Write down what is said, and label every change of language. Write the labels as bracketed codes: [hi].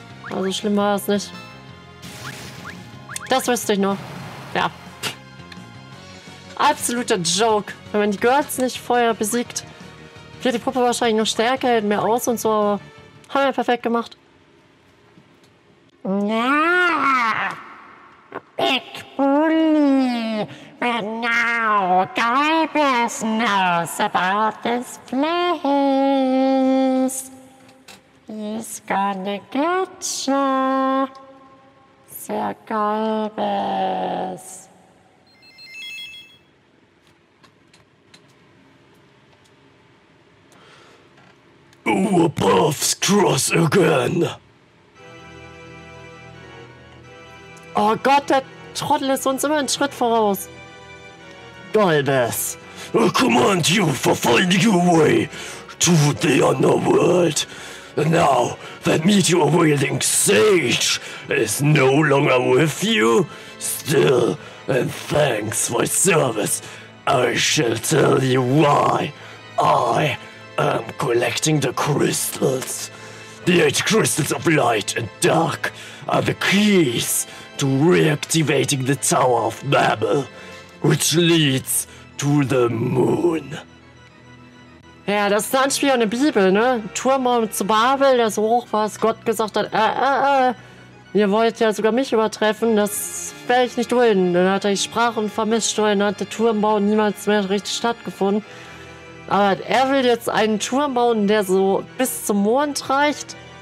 [de] Also schlimm war es nicht. Das wüsste ich noch. Ja. Absoluter Joke. Wenn man die Girls nicht vorher besiegt, wird die Puppe wahrscheinlich noch stärker, hält mehr aus und so, aber haben wir perfekt gemacht. [en] Ja, Big Bully, but now Guy Bears knows about this place. He's gonna get you. Sir Guy Bears. Our paths cross again. [de] Oh Gott, der Trottel ist uns immer einen Schritt voraus. [en] Galbes, I command you for finding your way to the underworld. Now that meteor-wielding sage is no longer with you, still, and thanks for service, I shall tell you why I am collecting the crystals. The 8 crystals of light and dark are the keys to reactivating the Tower of Babel, which leads to the moon. [de] Ja, das ist ein Anspiel an der Bibel, ne? Turm zu Babel, das hoch, was Gott gesagt hat, ihr wollt ja sogar mich übertreffen, das werde ich nicht dulden. Dann hat er die Sprachen vermischt und dann hat der Turmbau niemals mehr richtig stattgefunden. Aber er will jetzt einen Turm bauen, der so bis zum Mond reicht.